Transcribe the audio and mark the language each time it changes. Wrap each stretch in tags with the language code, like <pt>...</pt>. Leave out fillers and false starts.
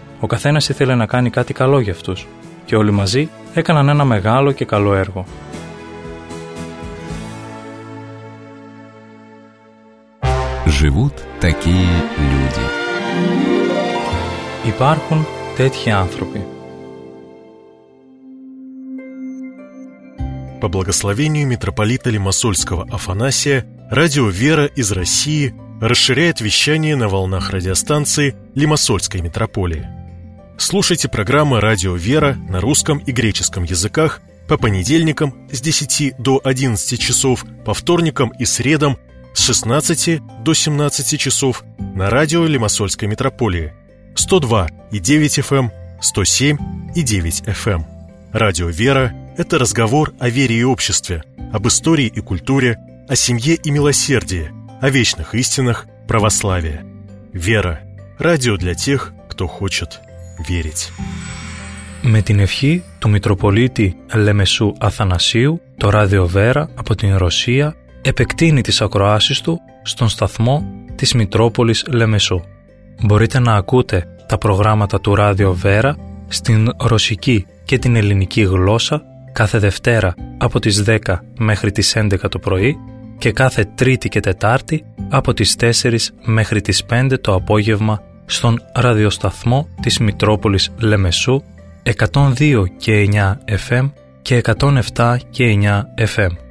<el>Ο καθένας ήθελε να κάνει κάτι καλό για αυτούς. Και όλοι μαζί έκαναν ένα μεγάλο και καλό έργο.</el> <ru>Живут такие люди.</ru> <el>Υπάρχουν τέτοιοι άνθρωποι.</el> <ru>По благословению митрополита Лимассольского Афанасия, радио «Вера» из России расширяет вещание на волнах радиостанции Лимассольской митрополии. Слушайте программы «Радио Вера» на русском и греческом языках по понедельникам с 10 до 11 часов, по вторникам и средам с 16 до 17 часов на радио Лимассольской митрополии 102.9 FM, 107.9 FM. Радио «Вера» – это разговор о вере и обществе, об истории и культуре, о семье и милосердии, о вечных истинах православия. «Вера» – радио для тех, кто хочет верить.</ru> <el>Με την ευχή του Μητροπολίτη Λεμεσού Αθανασίου, το Ράδιο Βέρα από την Ρωσία επεκτείνει τις ακροάσεις του στον σταθμό της Μητρόπολης Λεμεσού. Μπορείτε να ακούτε τα προγράμματα του Ράδιο Βέρα στην ρωσική και την ελληνική γλώσσα κάθε Δευτέρα από τις 10 μέχρι τις 11 το πρωί και κάθε Τρίτη και Τετάρτη από τις 4 μέχρι τις 5 το απόγευμα στον ραδιοσταθμό της Μητρόπολης Λεμεσού 102 και 9 FM και 107 και 9 FM.</el>